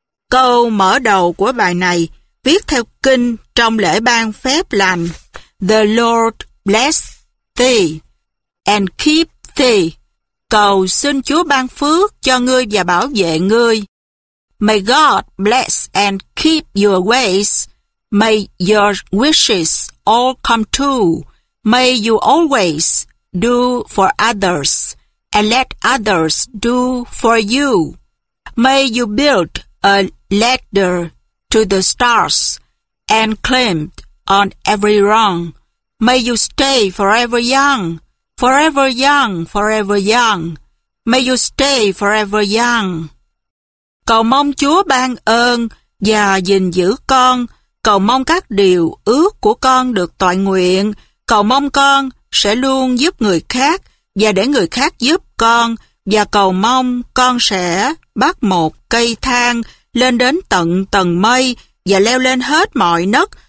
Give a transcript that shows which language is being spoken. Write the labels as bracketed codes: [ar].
[vi] Câu mở đầu của bài này viết theo kinh trong lễ ban phép lành: [en] The Lord bless thee and keep thee. [vi] Cầu xin Chúa ban phước cho ngươi và bảo vệ ngươi. [en] May God bless and keep your ways. May your wishes all come true. May you always do for others and let others do for you. May you build a ladder to the stars and climb on every rung. May you stay forever young, forever young, forever young. May you stay forever young. [vi] Cầu mong Chúa ban ơn và gìn giữ con. Cầu mong các điều ước của con được toại nguyện. Cầu mong con sẽ luôn giúp người khác và để người khác giúp con, và cầu mong con sẽ bắt một cây thang lên đến tận tầng mây và leo lên hết mọi nấc.